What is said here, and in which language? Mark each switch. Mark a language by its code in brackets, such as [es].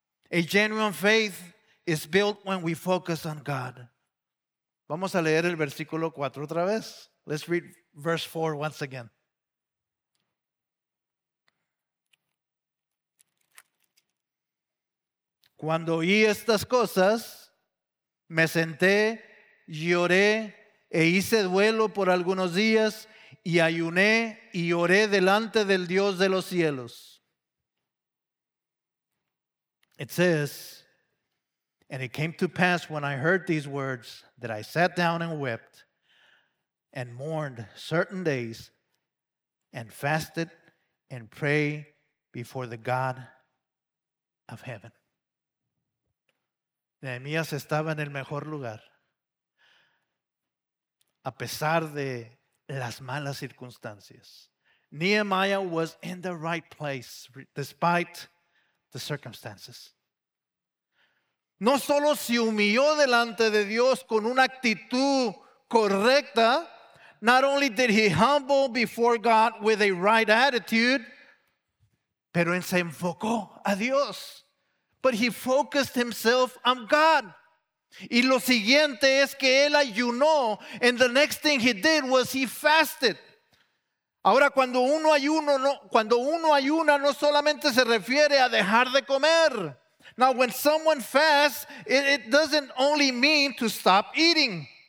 [en] A genuine faith is built when we focus on God. [es] Vamos a leer el versículo 4 otra vez. [en] Let's read verse 4 once again. [es] Cuando oí estas cosas, me senté, lloré e hice duelo por algunos días y ayuné y oré delante del Dios de los cielos. [en] It says, and it came to pass when I heard these words that I sat down and wept and mourned certain days and fasted and prayed before the God of heaven. [es] Nehemías estaba en el mejor lugar. A pesar de las malas circunstancias. [en] Nehemiah was in the right place despite the circumstances. [es] No solo se humilló delante de Dios con una actitud correcta. [en] Not only did he humble before God with a right attitude. [es] Pero se enfocó a Dios. [en] But he focused himself on God. [es] Y lo siguiente es que él ayunó. [en] And the next thing he did was he fasted. [es] Ahora, cuando uno ayuna, no solamente se refiere a dejar de comer. [en] Now, when someone fasts, it doesn't only mean to stop eating.